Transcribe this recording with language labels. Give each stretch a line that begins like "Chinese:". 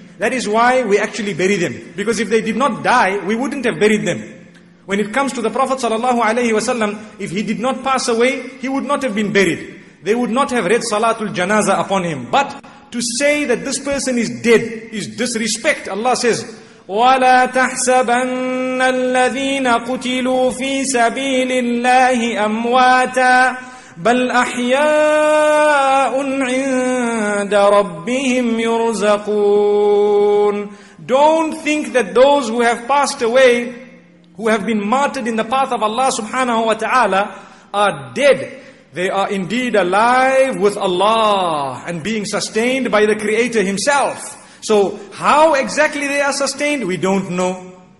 English: That is why we actually bury them. Because if they did not die, we wouldn't have buried them. When it comes to the Prophet sallallahu alaihi wasallam, if he did not pass away, he would not have been buried. They would not have read Salatul Janazah upon him. But to say that this person is dead is disrespect. Allah says,
Arabic: وَلَا تَحْسَبَنَّ الَّذِينَ قُتِلُوا فِي سَبِيلِ اللَّهِ أَمْوَاتًا بَلْ أَحْيَاءٌ عِنْدَ رَبِّهِمْ يُرْزَقُونَ.
English: Don't think that those who have passed away, who have been martyred in the path of Allah subhanahu wa ta'ala, are dead. They are indeed alive with Allah and being sustained by the Creator Himself. So how exactly they are sustained, we don't know.